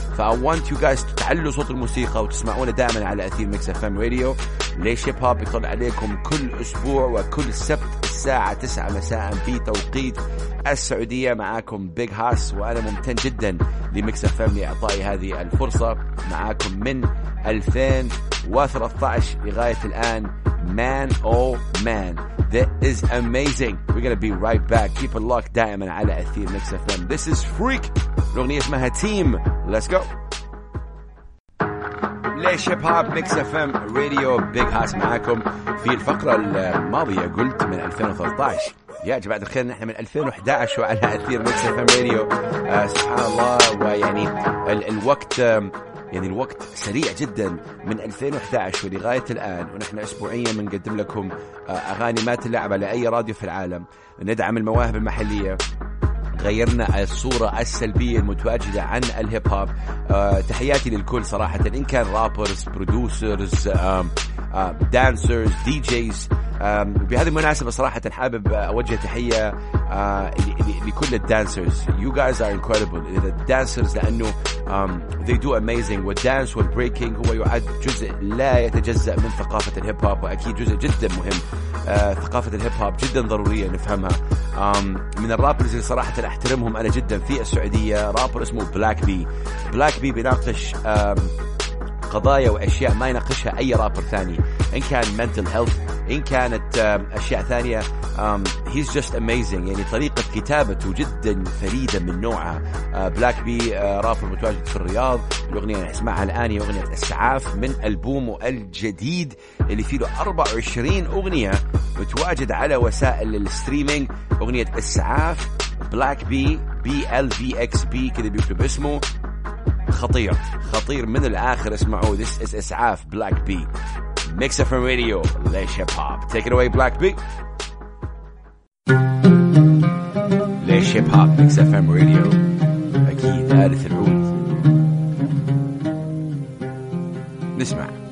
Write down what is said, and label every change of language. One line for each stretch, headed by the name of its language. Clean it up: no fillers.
Arabic: ف
English: I want you guys to
Arabic: تعلوا صوت الموسيقى وتسمعونا دائما على أثير Mix FM Radio. ليش هيب هوب يطلع عليكم كل أسبوع وكل سبت الساعة 9 مساء بتوقيت السعودية، معاكم Big Hass، وأنا ممتن جدا لMix FM لإعطائي هذه الفرصة. معاكم من 2013 لغاية الآن.
English: Man, oh man, that is amazing. We're gonna be right back. Keep it locked,
Arabic: دائما على أثير
English: Mix FM. This is Freak.
Arabic: الأغنية اسمها Team.
English: Let's go.
Arabic: ليش هيب هوب Mix FM Radio Big Hass معاكم. في الفقرة الماضية قلت من 2013. يا جماعة الخير نحن من 2011 وعلى أثير Mix FM Radio. سبحان الله، ويعني الوقت. يعني الوقت سريع جدا من 2011 ولغاية الآن، ونحن أسبوعيا منقدم لكم أغاني ما تلعب على أي راديو في العالم، ندعم المواهب المحلية، غيرنا الصورة السلبية المتواجدة عن الهيب هوب. تحياتي للكل صراحة، إن كان رابرز، برودوسرز، دانسرز، دي جيز. بهذه المناسبة صراحة حابب أوجه تحية لكل الدانسرز.
English: You guys are incredible. The dancers لأنه they do amazing.
Arabic: والدانس والبريكينج هو يعد جزء لا يتجزأ من ثقافة الهيب هوب، وأكيد جزء جدا مهم. ثقافة الهيب هوب جدا ضرورية نفهمها. من الرابرز اللي صراحة أحترمهم أنا جدا في السعودية رابر اسمه Black B. Black B بيناقش قضايا وأشياء ما يناقشها أي رابر ثاني، إن كان mental health، إن كانت أشياء ثانية.
English: He's just amazing.
Arabic: يعني طريقة كتابته جدا فريدة من نوعها. Black B رابر متواجد في الرياض. الأغنية اللي نسمعها الآن هي أغنية إسعاف من ألبومه الجديد اللي فيه 24 أغنية، متواجد على وسائل الستريمينج. أغنية إسعاف Black B BLVXB كده بيكتب اسمه، خطير خطير من الآخر. اسمعوا
English: This is
Arabic: إسعاف Black B Mix FM Radio ليش هيب هوب.
English: Take it away Black B.
Arabic: ليش هيب هوب Mix FM Radio. ثالث العود نسمع.